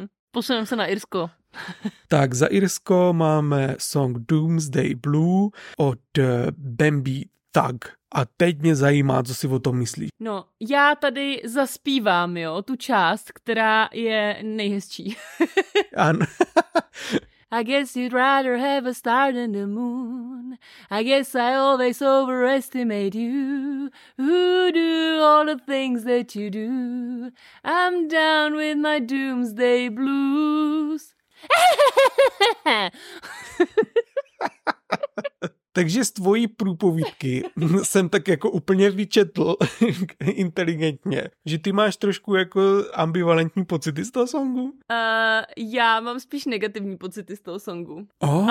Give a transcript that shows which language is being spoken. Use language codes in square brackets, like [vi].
[cs] Posuneme se na Irsko. Tak za Irsko máme song Doomsday Blue od Bambi Tag. A teď mě zajímá, co si o tom myslíš. No, já tady zaspívám, jo, tu část, která je nejhezčí. Ano. [en] I guess you'd rather have a star than the moon. I guess I always overestimate you. Who do all the things that you do? I'm down with my doomsday blues. [cs] Takže z tvojí průpovídky jsem tak jako úplně vyčetl inteligentně, že ty máš trošku jako ambivalentní pocity z toho songu? Já mám spíš negativní pocity z toho songu. Oh.